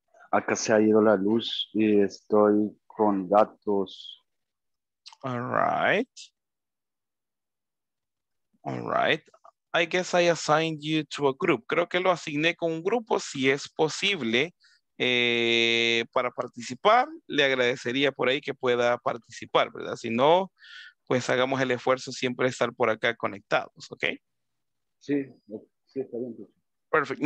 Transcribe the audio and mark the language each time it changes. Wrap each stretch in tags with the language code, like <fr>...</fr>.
<es>Acá se ha ido la luz y estoy con datos.</es> <en>All right. All right. I guess I assigned you to a group.</en> <es>Creo que lo asigné con un grupo, si es posible. Para participar, le agradecería por ahí que pueda participar, ¿verdad? Si no, pues hagamos el esfuerzo siempre de estar por acá conectados, ¿ok? Sí, sí, está bien. Perfecto.</es>